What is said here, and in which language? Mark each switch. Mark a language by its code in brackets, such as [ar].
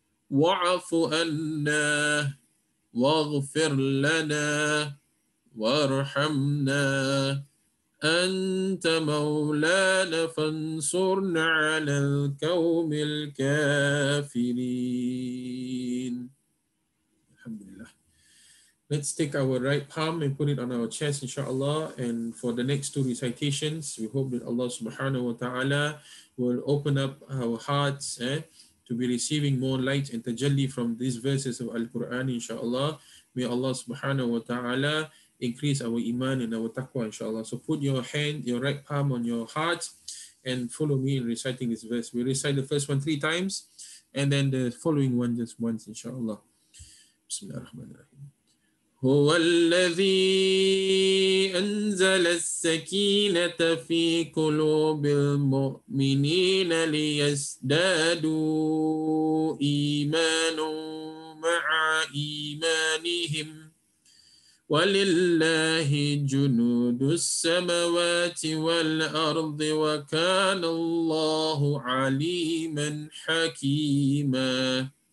[ar] واعف عنا واغفر لنا وارحمنا أنت مولانا فانصرنا على القوم الكافرين. Alhamdulillah. [en] Let's take our right palm and put it on our chest, inshallah. And for the next two recitations, we hope that Allah subhanahu wa ta'ala will open up our hearts to be receiving more light and tajalli from these verses of Al-Quran, inshallah. May Allah subhanahu wa ta'ala increase our iman and our taqwa, inshallah. So put your hand, your right palm on your heart and follow me in reciting this verse. We recite the first one 3 times and then the following one just once, inshallah. [ar] Bismillah ar-Rahman ar-Rahim. هو الذي أنزل السكينة في قلوب المؤمنين ليزدادوا إيمانا مع إيمانهم ولله جنود السماوات والأرض وكان الله عليما حكيما